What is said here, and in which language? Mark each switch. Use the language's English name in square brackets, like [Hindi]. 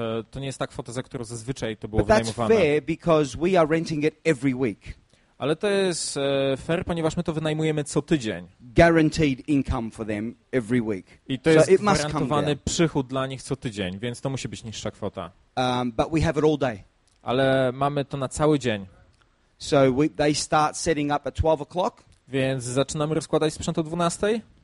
[Polish] To nie jest ta kwota, za którą zazwyczaj to było wynajmowane. [English] But that's fair because we are renting it every week. [Polish] Ale to jest fair, ponieważ my to wynajmujemy co tydzień. [English] Guaranteed income for them every week. [Polish] I to jest gwarantowany przychód dla nich co tydzień, więc to musi być niższa kwota. [English] But we have it all day. [Polish] Ale mamy to na cały dzień. [English] So they start setting up at 12 o'clock. [Polish] Więc zaczynamy rozkładać sprzęt o 12:00.